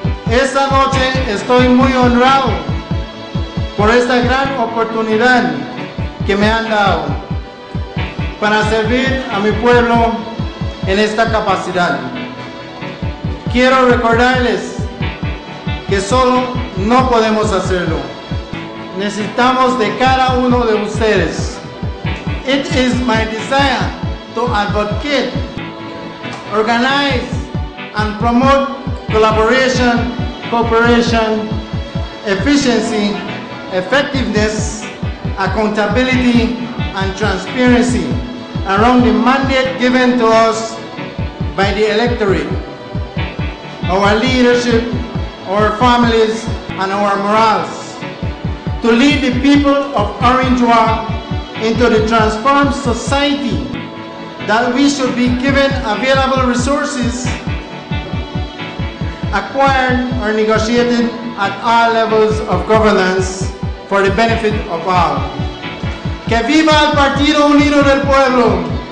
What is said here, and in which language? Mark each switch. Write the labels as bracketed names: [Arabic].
[Spanish] Esta noche estoy muy honrado por esta gran oportunidad que me han dado para servir a mi pueblo en esta capacidad. Quiero recordarles que solo no podemos hacerlo. Necesitamos de cada uno de ustedes. [English] It is my desire to advocate, organize, and promote collaboration, cooperation, efficiency, effectiveness, accountability, and transparency around the mandate given to us by the electorate, our leadership, our families, and our morals. To lead the people of Orange into the transformed society that we should be given available resources acquired or negotiated at all levels of governance for the benefit of all. [Spanish] Que viva el Partido Unido del Pueblo!